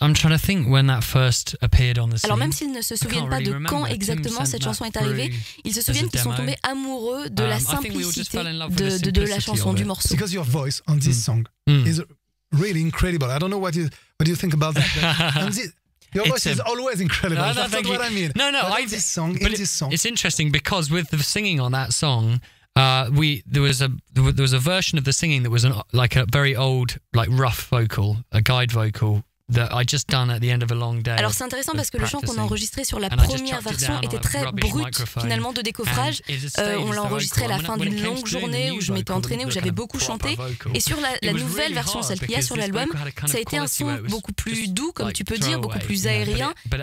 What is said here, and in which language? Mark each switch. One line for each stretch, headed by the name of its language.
French: Alors même s'ils ne se souviennent pas de quand exactement cette chanson est arrivée, ils se souviennent qu'ils sont tombés amoureux de la simplicité de la chanson, du morceau.
English: Because your voice on this song is really incredible. I don't know what do you think about that. Your voice is always incredible. No, that's not what I mean. No, this song. It's interesting because with the singing on that song, there was a version of the singing that was a very old, like rough vocal, a guide vocal that I just done at the end of a long day.
French: Alors c'est intéressant parce que le chant qu'on a enregistré sur la première version était très brut, finalement, de décoffrage. On l'a enregistré à la fin d'une longue journée où je m'étais entraîné, où j'avais beaucoup chanté. Et sur la nouvelle version, celle qu'il y a sur l'album, ça a été un son beaucoup plus doux, comme tu peux dire, beaucoup plus aérien.